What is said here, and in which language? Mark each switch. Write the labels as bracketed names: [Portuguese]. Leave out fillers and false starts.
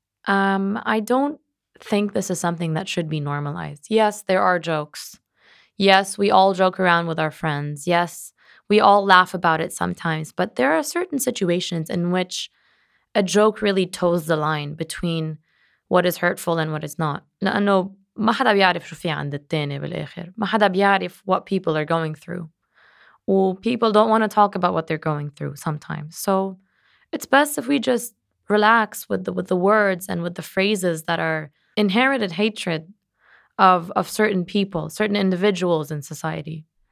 [English] I don't think this is something that should be normalized. Yes, there are jokes. Yes, we all joke around with our friends. Yes, we all laugh about it sometimes. But there are certain situations in which a joke really toes the line between what is hurtful and what is not. [Arabic] لأنه ما حدا بيعرف شو في عند التاني بالآخر. ما حدا بيعرف [English] what people are going through. Well, people don't want to talk about what they're going through sometimes. So it's best if we just relax with the words and with the phrases that are inherited hatred of certain people, certain individuals in society.